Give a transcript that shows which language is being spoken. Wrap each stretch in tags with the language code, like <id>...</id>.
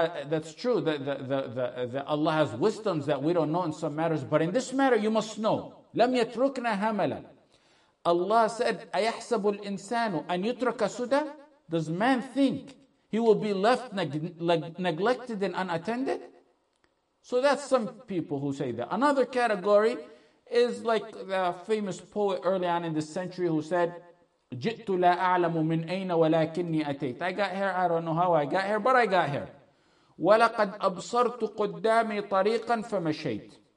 <en>That's true. That Allah has wisdoms that we don't know in some matters. But in this matter, you must know.</en> <ar>لم يتركنا هملا.</ar> <en>Allah said,</en> <ar>أيحسب الإنسان أن يترك سدى?</ar> <en>Does man think he will be left neglected and unattended? So that's some people who say that. Another category is like the famous poet early on in the century who said,</en> <ar>جئت لا أعلم من أين ولكني أتيت.</ar> <en>I got here, I don't know how I got here, but I got here.</en> <ar>ولقد أبصرت قدامي طريقا فمشيت.</ar>